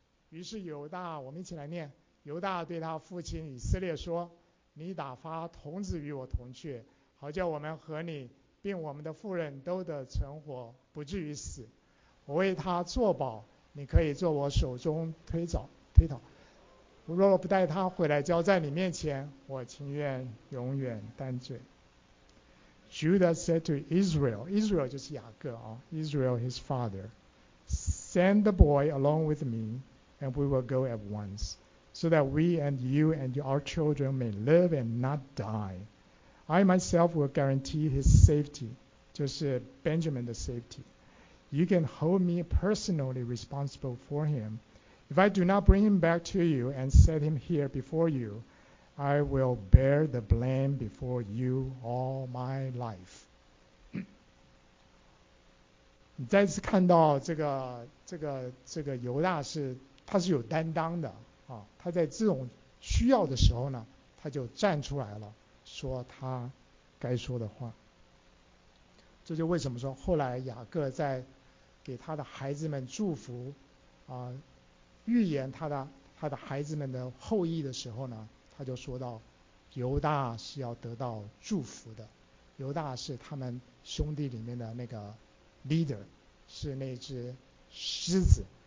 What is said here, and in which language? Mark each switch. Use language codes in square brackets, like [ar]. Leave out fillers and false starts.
[zh] 于是犹大，我们一起来念。犹大对他父亲以色列说：“你打发童子与我同去，好叫我们和你，并我们的妇人都得存活，不至于死。我为他作保，你可以做我手中推讨。我若不带他回来交在你面前，我情愿永远担罪。 [en] ”Judah said to Israel, Israel [zh] 就是雅各啊， [en] Israel his father, send the boy along with me. And we will go at once, so that we and you and our children may live and not die. I myself will guarantee his safety, [zh] 就是 Benjamin 的 [en] safety. You can hold me personally responsible for him. If I do not bring him back to you and set him here before you, I will bear the blame before you all my life. [zh] 你再次看到这个犹大是。他是有担当的啊，他在这种需要的时候呢，他就站出来了，说他该说的话。这就为什么说后来雅各在给他的孩子们祝福啊，预言他的孩子们的后裔的时候呢，他就说到犹大是要得到祝福的，犹大是他们兄弟里面的那个 leader， 是那只狮子。